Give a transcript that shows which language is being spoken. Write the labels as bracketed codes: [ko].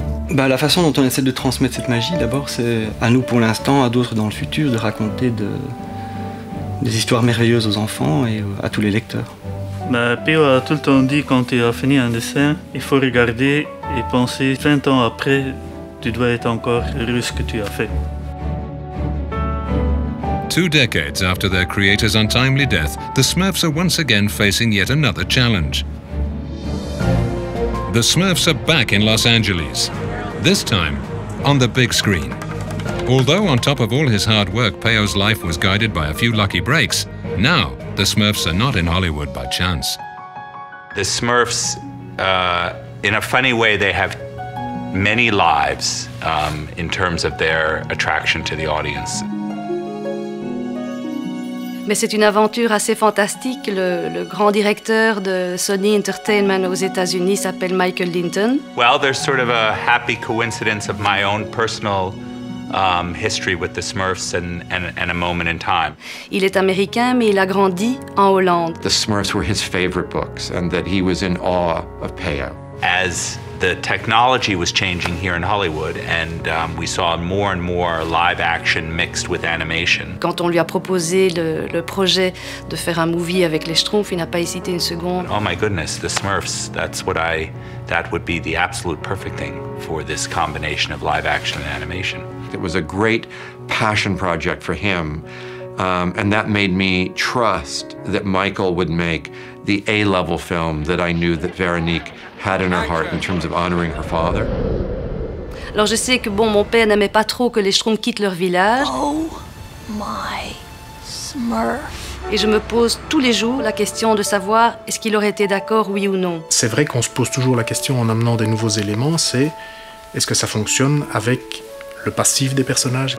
[fr] Bah, la façon dont on essaie de transmettre cette magie, d'abord, c'est à nous pour l'instant, à d'autres dans le futur, de raconter des histoires merveilleuses aux enfants et à tous les lecteurs. Bah, Pio a tout le temps dit, quand il a fini un dessin, il faut regarder et penser 20 ans après, tu dois être encore heureux ce que tu as fait. [en] Two decades after their creator's untimely death, the Smurfs are once again facing yet another challenge. The Smurfs are back in Los Angeles, this time on the big screen. Although on top of all his hard work, Peyo's life was guided by a few lucky breaks, now the Smurfs are not in Hollywood by chance. The Smurfs, in a funny way, they have many lives in terms of their attraction to the audience. [fr] Mais c'est une aventure assez fantastique. Le grand directeur de Sony Entertainment aux États-Unis s'appelle Michael Linton. [en] Well, there's sort of a happy coincidence of my own personal history with the Smurfs and a moment in time. [fr] Il est américain, mais il a grandi en Hollande. [en] The Smurfs were his favorite books, and that he was in awe of Peyo. As the technology was changing here in Hollywood, and we saw more and more live action mixed with animation. [fr] Quand on lui a proposé le projet de faire un movie avec les Schtroumpfs, il n'a pas hésité une seconde. [en] Oh my goodness, the Smurfs, that would be the absolute perfect thing for this combination of live action and animation. It was a great passion project for him, and that made me trust that Michael would make the A-level film that I knew that Véronique had in her heart in terms of honoring her father. [fr] Alors je sais que bon, mon père n'aimait pas trop que les Schtroumpfs quittent leur village. [en] Oh my Smurf. [fr] Et je me pose tous les jours la question de savoir est-ce qu'il aurait été d'accord, oui ou non. C'est vrai qu'on se pose toujours la question en amenant des nouveaux éléments, c'est est-ce que ça fonctionne avec le passif des personnages.